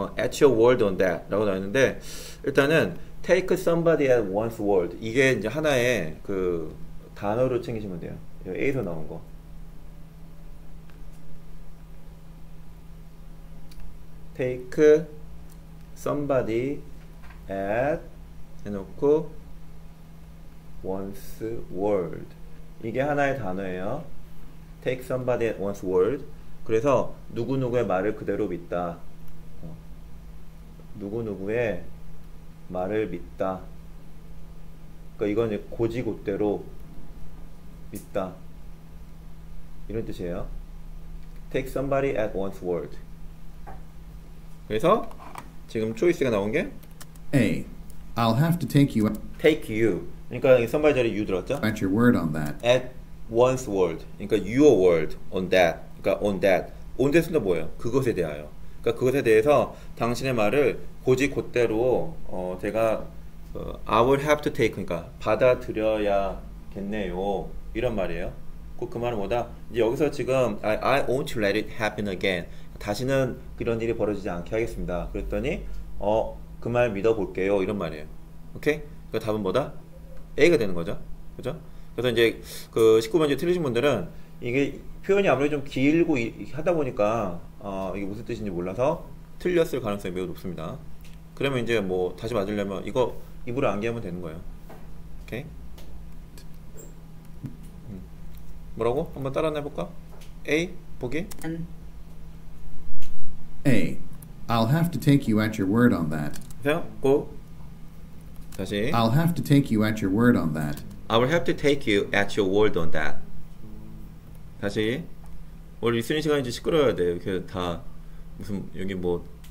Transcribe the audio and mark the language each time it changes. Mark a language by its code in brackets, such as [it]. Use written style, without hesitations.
[en] At your word on that [ko] 라고 나왔는데 일단은 [en] take somebody at one's word [ko] 이게 이제 하나의 그 단어로 챙기시면 돼요. 이거 A에서 나온 거. 테이크 [en] somebody at [ko] 해놓고 [en] one's word [ko] 이게 하나의 단어예요. [en] take somebody at one's word [ko] 그래서 누구누구의 말을 그대로 믿다. 누구누구의 말을 믿다. 그러니까 이건 이제 고지고대로 믿다. 이런 뜻이에요. [en] Take somebody at one's word. [ko] 그래서 지금 초이스가 나온 게 [en] A. I'll have to take you Take you. [ko] 그러니까 somebody 자리에 you 들었죠? [en] At your word on that. At one's word. [ko] 그러니까 [en] your word on that. 그러니까 on that. [ko] 온데스는 뭐예요? 그것에 대하여. 그러니까 그것에 대해서 당신의 말을 곧이곧대로 제가 [en] I will have to take [ko] 그러니까 받아들여야겠네요. 이런 말이에요. 꼭 그 말은 뭐다? 이제 여기서 지금 [en] I won't let it happen again. [ko] 다시는 그런 일이 벌어지지 않게 하겠습니다. 그랬더니 그 말 믿어볼게요. 이런 말이에요. 오케이? 그 답은 뭐다? A가 되는 거죠. 그죠? 그래서 이제 그 19번째 틀리신 분들은 이게 표현이 아무래도 좀 길고 하다 보니까 이게 무슨 뜻인지 몰라서 틀렸을 가능성이 매우 높습니다. 그러면 이제 뭐 다시 맞으려면 이거 입으로 암기하면 되는 거예요. 오케이? 뭐라고? 한번 따라 해볼까? A 보기? [en] A. I'll have to take you at your word on that. [ko] 자, 고. 다시. [en] I'll have to take you at your word on that. I will have to take you at your word on that. [ko] 다시 원래 리스닝 시간이 시끄러워야 돼요. 이렇게 다 무슨 여기 뭐